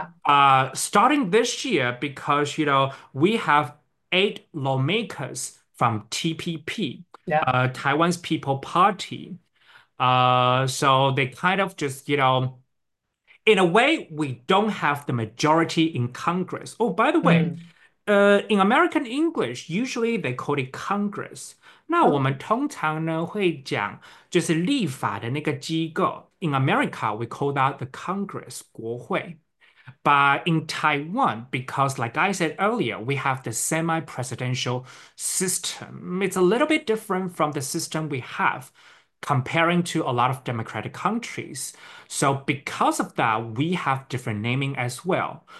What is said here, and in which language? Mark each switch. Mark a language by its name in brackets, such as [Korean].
[English] Starting this year, because we have eight lawmakers from TPP, Taiwan's People Party. So they kind of just, in a way, we don't have the majority in Congress. Oh, by the way, in American English, usually they call it Congress. [Chinese] 那我们通常呢会讲，就是立法的那个机构。 [English] In America, we call that the Congress, 国会。 But in Taiwan, because like I said earlier, we have the semi-presidential system. It's a little bit different from the system we have comparing to a lot of democratic countries. So because of that, we have different naming as well.